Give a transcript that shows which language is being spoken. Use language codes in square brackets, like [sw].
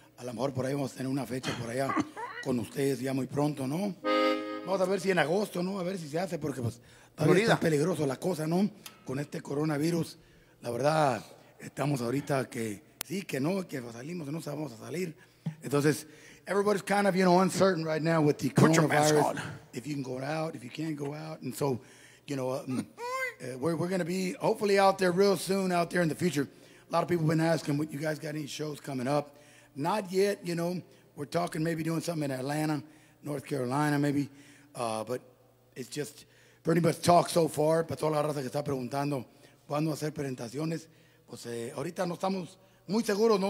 [es] A lo mejor por ahí vamos a tener una fecha por allá con ustedes ya muy pronto, ¿no? Vamos a ver si en agosto, ¿no? A ver si se hace, porque pues todavía está peligroso la cosa, ¿no? Con este coronavirus, la verdad, estamos ahorita que sí, que salimos, no sabemos a salir. [en] Entonces, everybody's kind of, you know, uncertain right now with the coronavirus. If you can go out, if you can't go out, and so... You know, we're going to be hopefully out there real soon, out there in the future. A lot of people have been asking, what you guys got any shows coming up? Not yet, you know. We're talking maybe doing something in Atlanta, North Carolina, maybe. But it's just pretty much talk so far. [es] Para toda la raza que está preguntando, ¿cuándo hacer presentaciones? Pues ahorita no estamos muy seguros, ¿no?